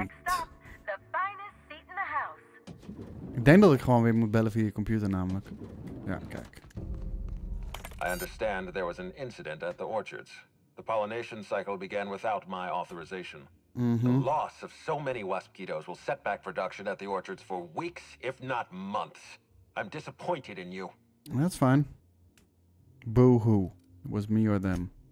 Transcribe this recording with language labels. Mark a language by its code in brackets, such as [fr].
[en] Next stop, the finest seat in the house. [nl] Ik denk dat ik gewoon weer moet bellen via je computer namelijk. Ja, kijk. [en] I understand there was an incident at the orchards. The pollination cycle began without my authorization. Mm-hmm. The loss of so many wasp kiddos will set back production at the orchards for weeks, if not months. I'm disappointed in you. That's fine. Boo-hoo. It was me or them.